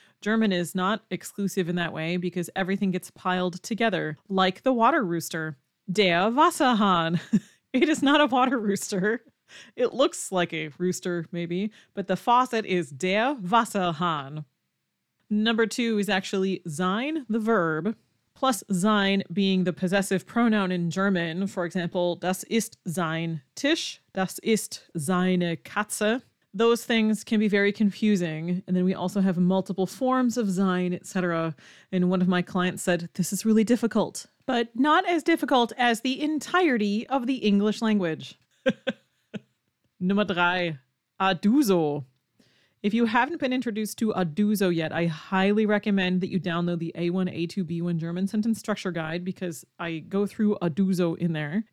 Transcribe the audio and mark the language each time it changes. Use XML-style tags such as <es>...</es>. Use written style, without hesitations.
<en>German is not exclusive in that way because everything gets piled together, like the water rooster, der Wasserhahn. It is not a water rooster. It looks like a rooster, maybe, but the faucet is der Wasserhahn. Number two is actually sein, the verb, plus sein being the possessive pronoun in German. For example,</en> <de>das ist sein Tisch, das ist seine Katze.</de> <en>Those things can be very confusing. And then we also have multiple forms of sein, etc. And one of my clients said, this is really difficult, but not as difficult as the entirety of the English language. Number three, aduso. If you haven't been introduced to aduso yet, I highly recommend that you download the A1, A2, B1 German sentence structure guide because I go through aduso in there.</en>